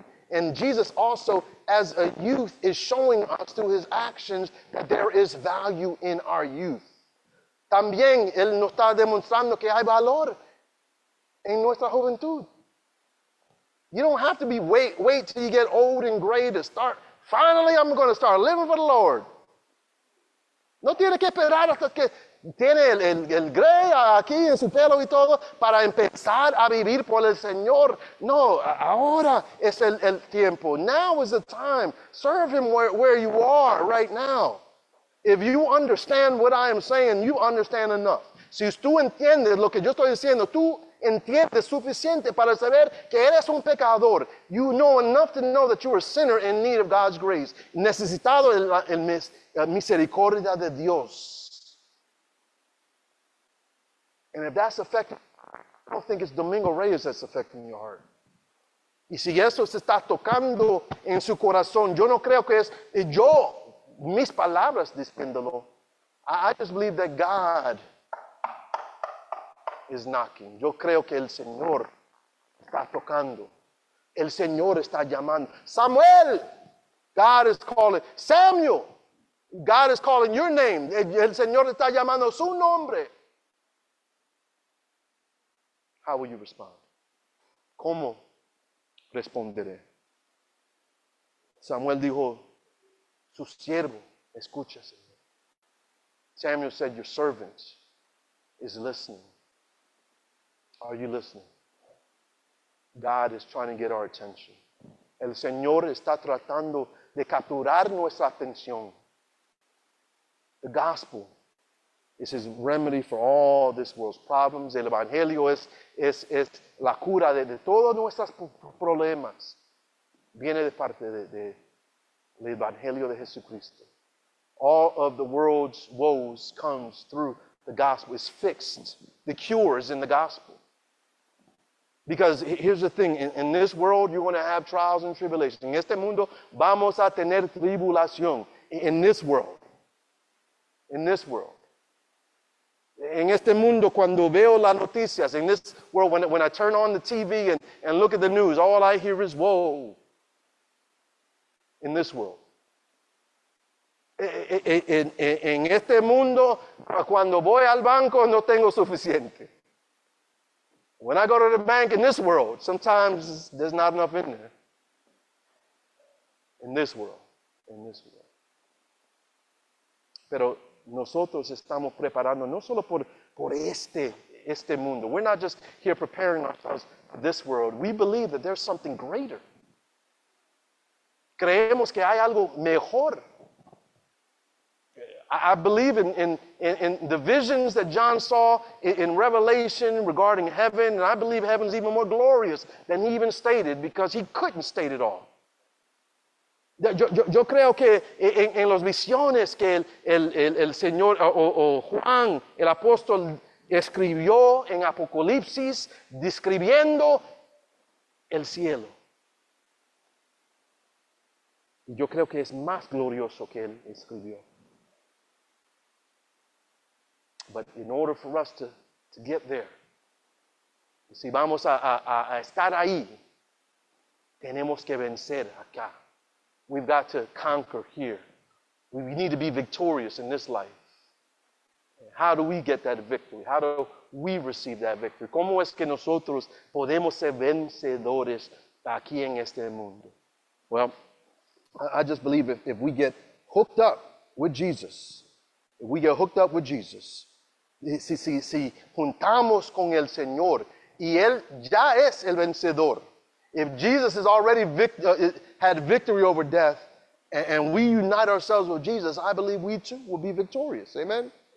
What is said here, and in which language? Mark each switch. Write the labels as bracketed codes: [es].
[en] And Jesus also, as a youth, is showing us through his actions that there is value in our youth. [es] También, él nos está demostrando que hay valor en nuestra juventud. [en] You don't have to be wait till you get old and gray to start. Finally, I'm going to start living for the Lord. [es] No tiene que esperar hasta que tiene el gray aquí en su pelo y todo para empezar a vivir por el Señor. No, ahora es el tiempo. [en] Now is the time. Serve him where you are right now. If you understand what I am saying, you understand enough. [es] Si tú entiendes lo que yo estoy diciendo, tú entiendes suficiente para saber que eres un pecador. [en] You know enough to know that you are a sinner in need of God's grace. [es] Necesitado la misericordia de Dios. [en] And if that's affecting, I don't think it's Domingo Reyes that's affecting your heart. [es] Y si eso se está tocando en su corazón, yo no creo que es yo, mis palabras diciéndolo. [en] I just believe that God is knocking. [es] Yo creo que el Señor está tocando. El Señor está llamando. Samuel, [en] God is calling. Samuel, God is calling your name. [es] El Señor está llamando su nombre. [en] How will you respond? [es] ¿Cómo responderé? Samuel dijo, su siervo, escucha, Señor. [en] Samuel said, your servant is listening. Are you listening? God is trying to get our attention. [es] El Señor está tratando de capturar nuestra atención. [en] The gospel is his remedy for all this world's problems. [es] El Evangelio es la cura de todos nuestros problemas. Viene de parte del Evangelio de Jesucristo. [en] All of the world's woes comes through the gospel. It's fixed. The cure is in the gospel. Because here's the thing. In this world, you're going to have trials and tribulations. [es] En este mundo, vamos a tener tribulación. [en] In this world. In this world. [es] En este mundo, cuando veo las noticias, [en] in this world, when I turn on the TV and look at the news, all I hear is woe. In this world. [es] En este mundo, cuando voy al banco, no tengo suficiente. [en] When I go to the bank in this world, sometimes there's not enough in there. in this world, in this world. [es] Pero nosotros estamos preparando no solo por este mundo. [en] We're not just here preparing ourselves for this world. We believe that there's something greater. [es] Creemos que hay algo mejor. [en] I believe in the visions that John saw in Revelation regarding heaven, and I believe heaven's even more glorious than he even stated, because he couldn't state it all. [es] Yo creo que en las visiones que el Señor o Juan, el apóstol, escribió en Apocalipsis, describiendo el cielo. Yo creo que es más glorioso que él escribió. [en] But in order for us to get there, [es] si vamos a estar ahí, tenemos que vencer acá. [en] We've got to conquer here. We need to be victorious in this life. How do we get that victory? How do we receive that victory? [es] ¿Cómo es que nosotros podemos ser vencedores aquí en este mundo? [en] Well, I just believe if we get hooked up with Jesus, if we get hooked up with Jesus, [es] si juntamos con el Señor y Él ya es el vencedor, [en] if Jesus has already had victory over death, and we unite ourselves with Jesus, I believe we too will be victorious. Amen?